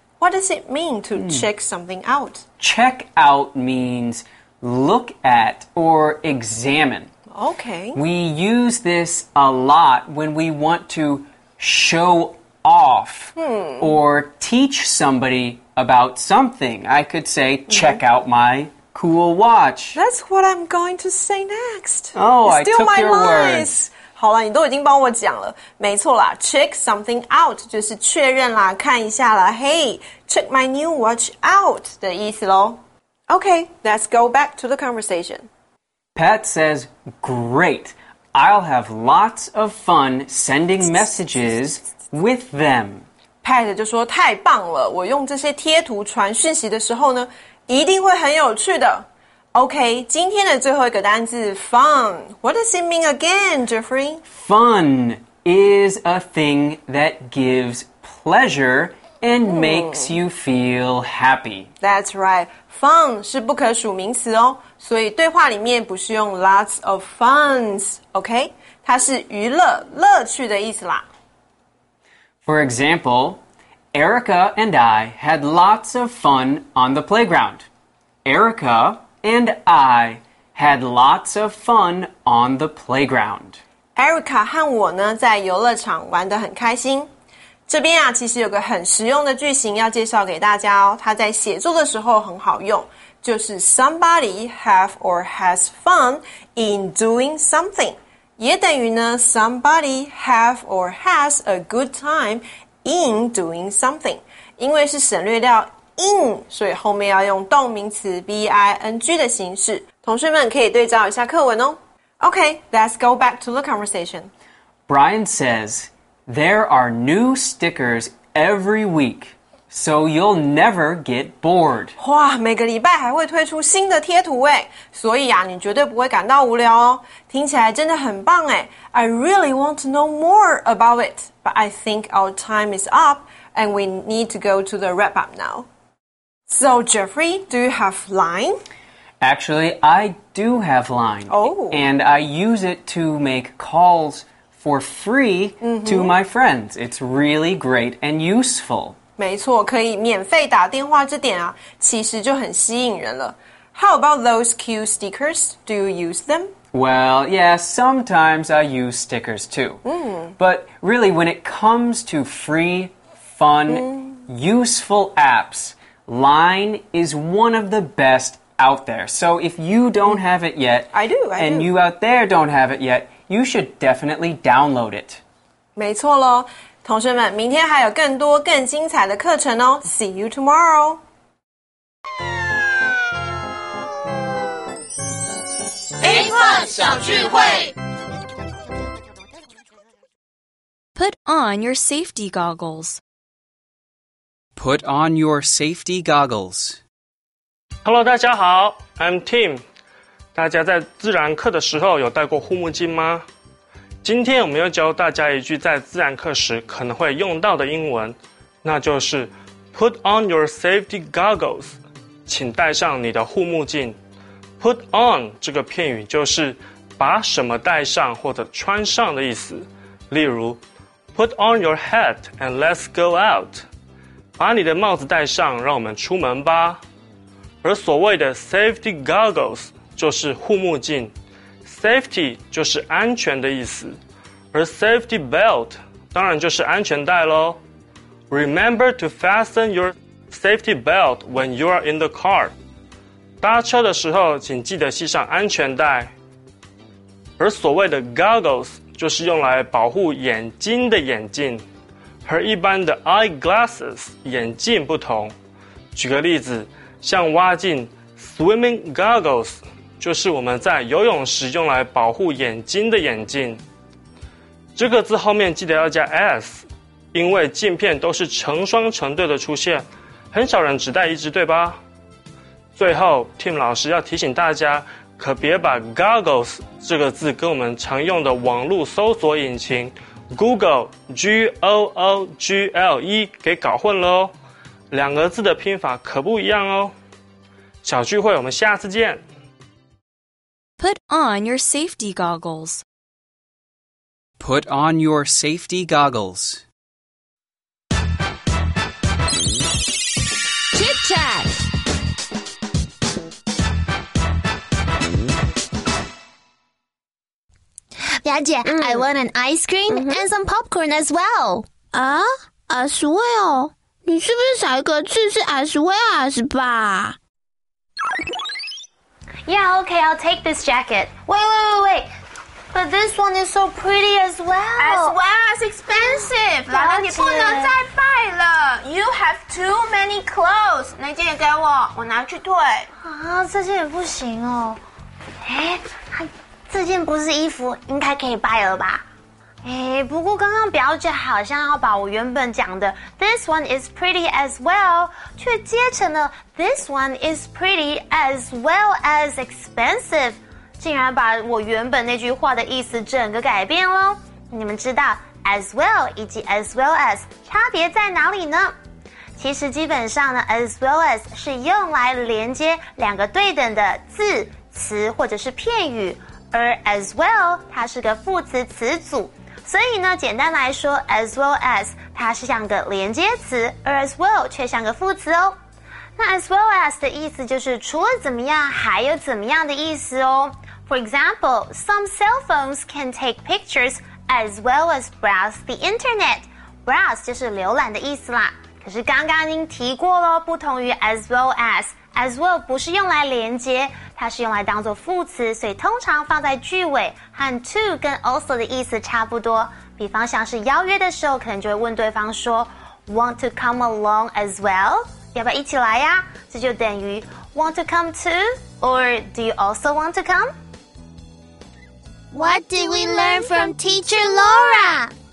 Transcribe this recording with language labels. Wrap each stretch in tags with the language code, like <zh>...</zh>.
<en>What does it mean to check something out? Check out means look at or examine. Okay. We use this a lot when we want to show off or teach somebody about something. I could say, check out my cool watch. That's what I'm going to say next. Oh, I took your words.</en> <zh>好啦，你都已经帮我讲了。没错啦， check something out 就是确认啦，看一下啦。</zh> <en>Hey, check my new watch out 的意思咯。 Okay, let's go back to the conversation. Pat says, great, I'll have lots of fun sending messages with them.</en> <zh>Pat 就说太棒了，我用这些贴图传讯息的时候呢，一定会很有趣的。 Okay, 今天的最后一个单字 fun.</zh> <en>What does it mean again, Jeffrey? Fun is a thing that gives pleasure and makes you feel happy. That's right.</en> <zh>Fun 是不可数名词哦，所以对话里面不是用 lots of funs, okay? 它是娱乐、乐趣的意思啦。</zh> <en>For example, Erica and I had lots of fun on the playground. Erica... And I had lots of fun on the playground.</en> <zh>Erica 和我呢在游乐场玩得很开心。这边啊其实有个很实用的句型要介绍给大家哦，它在写作的时候很好用，就是 somebody have or has fun in doing something，也等于呢 somebody have or has a good time in doing something，因为是省略掉in， 所以后面要用动名词 B-I-N-G 的形式。同学们可以对照一下课文哦。</zh> <en>Okay, let's go back to the conversation. Brian says, there are new stickers every week, so you'll never get bored.</en> <zh>哇，每个礼拜还会推出新的贴图耶，所以啊，你绝对不会感到无聊哦。听起来真的很棒耶。</zh> <en>I really want to know more about it, but I think our time is up, and we need to go to the wrap up now. So, Jeffrey, do you have line? Actually, I do have line. Oh. And I use it to make calls for free to my friends. It's really great and useful.</en> <zh>没错，可以免费打电话这点啊，其实就很吸引人了。</zh> <en>How about those cute stickers? Do you use them? Well, yeah, sometimes I use stickers too. But really, when it comes to free, fun, useful apps... Line is one of the best out there. So if you don't have it yet, I do. You out there don't have it yet, you should definitely download it.</en> <zh>没错咯，同学们，明天还有更多更精彩的课程哦。</zh> <en>See you tomorrow.</en> <zh>A-Fun 小聚会。</zh> <en>Put on your safety goggles. Put on your safety goggles. Hello, 大家好 I'm Tim.</en> <zh>大家在自然课的时候有戴过护目镜吗？今天我们要教大家一句在自然课时可能会用到的英文，那就是 Put on your safety goggles. 请戴上你的护目镜。Put on 这个片语就是把什么戴上或者穿上的意思。</zh> <en>例如 Put on your hat and let's go out.</en> <zh>把你的帽子戴上，让我们出门吧。而所谓的 safety goggles 就是护目镜， safety 就是安全的意思，而 safety belt 当然就是安全带咯。</zh> <en>Remember to fasten your safety belt when you are in the car.</en> <zh>搭车的时候请记得系上安全带。而所谓的 goggles 就是用来保护眼睛的眼镜，和一般的 eyeglasses 眼镜不同。举个例子，像蛙镜 swimming goggles 就是我们在游泳时用来保护眼睛的眼镜。这个字后面记得要加 s， 因为镜片都是成双成对的出现，很少人只戴一只，对吧？最后 Tim 老师要提醒大家，可别把 goggles 这个字跟我们常用的网络搜索引擎Google G-O-O-G-L-E 给搞混了哦，两个字的拼法可不一样哦。小聚会我们下次见。</zh> <en>Put on your safety goggles. Put on your safety goggles. Tic Tac. Yajie, I want an ice cream and some popcorn as well. Ah, as well?</en> <zh>你是不是少一个字是 as well as 吧？</zh> <en>Yeah, okay, I'll take this jacket. Wait. But this one is so pretty as well. As well as expensive.</en> <zh>老姐，你不能再败了。</zh> <en>You have too many clothes.</en> <zh>那件也给我，我拿去退。啊，这件也不行哦。哎，这件不是衣服，应该可以败了吧？哎，不过刚刚表姐好像要把我原本讲的 This one is pretty as well 却接成了 This one is pretty as well as expensive 竟然把我原本那句话的意思整个改变了。你们知道 as well 以及 as well as 差别在哪里呢？其实基本上呢 as well as 是用来连接两个对等的字、词或者是片语，而 as well 它是个副词词组，所以呢，简单来说 ，as well as 它是像个连接词，而 as well 却像个副词哦。那 as well as 的意思就是除了怎么样，还有怎么样的意思哦。</zh> <en>For example, some cell phones can take pictures as well as browse the internet.</en> <zh>Browse 就是浏览的意思啦。可是刚刚您提过咯，不同于 as well 不是用来连接，它是用来当作副词，所以通常放在句尾，和 to 跟 also 的意思差不多。比方像是邀约的时候，可能就会问对方说 Want to come along as well? 要不要一起来呀？</zh> <en>这就等于 Want to come too? Or do you also want to come? What did we learn from teacher Laura?</en>